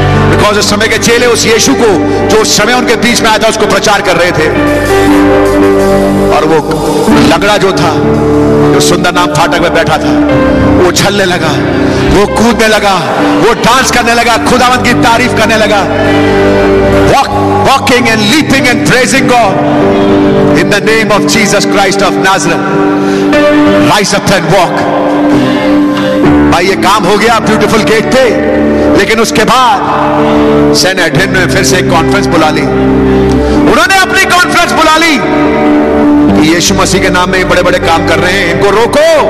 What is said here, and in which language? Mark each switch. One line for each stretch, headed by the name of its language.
Hindi: Because उस समय के चेले उस यीशु को जो उस समय उनके बीच में आया था, उसको प्रचार कर रहे थे, और वो लगड़ा जो था जो सुंदर नाम फाटक में बैठा था, वो उछलने लगा, वो कूदने लगा, वो डांस करने लगा, खुदावंद की तारीफ करने लगा.
English: Walking and leaping and praising God in the name of Jesus Christ of Nazareth. Rise up and walk.
Hindi: भाई ये काम हो गया, beautiful gate थे. लेकिन उसके बाद सेनेटिन ने फिर से एक कॉन्फ्रेंस बुला ली. उन्होंने अपनी कॉन्फ्रेंस बुला ली, यीशु मसीह के नाम में बड़े बड़े काम कर रहे हैं, इनको रोको.